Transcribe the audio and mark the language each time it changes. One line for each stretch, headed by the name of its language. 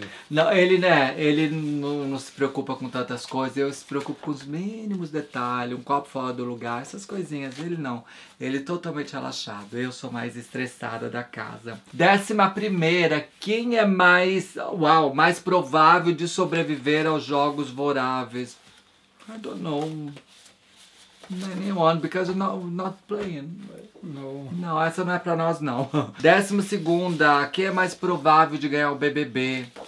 Portuguese: Não, ele, né, ele não se preocupa com tantas coisas, eu se preocupo com os mínimos detalhes, um copo fora do lugar, essas coisinhas. Ele não. Ele totalmente relaxado. Eu sou mais estressada da casa. Décima primeira. Quem é mais, uau, mais provável de sobreviver aos jogos voráveis?
English: I don't know. Anyone, because you're not playing. No.
Portuguese: Não, essa não é pra nós, não. Décima segunda. Quem é mais provável de ganhar o BBB?